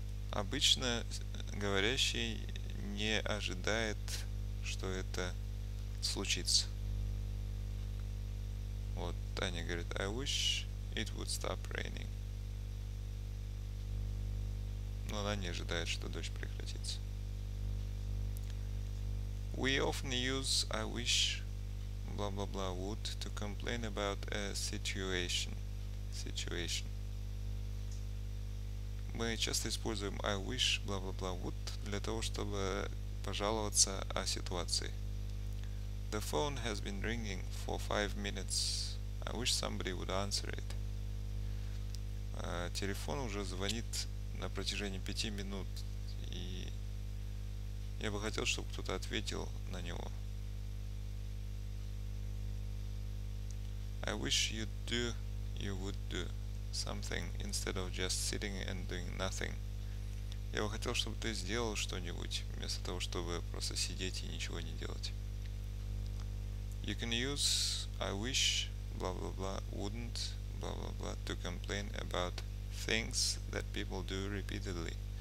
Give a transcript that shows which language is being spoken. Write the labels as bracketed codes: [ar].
[ru] Обычно говорящий не ожидает, что это случится. Вот Таня говорит, [en] I wish it would stop raining. [ru] Но она не ожидает, что дождь прекратится. [en] We often use I wish бла-бла-бла would to complain about a situation. Situation. [ru] Мы часто используем I wish бла-бла-бла would для того, чтобы пожаловаться о ситуации. [en] The phone has been ringing for 5 minutes. I wish somebody would answer it. [ru] Телефон уже звонит на протяжении 5 минут, и я бы хотел, чтобы кто-то ответил на него. [en] I wish you would do something instead of just sitting and doing nothing. [ru] Я бы хотел, чтобы ты сделал что-нибудь, вместо того, чтобы просто сидеть и ничего не делать. [en] You can use I wish blah blah blah wouldn't blah blah blah to complain about things that people do repeatedly.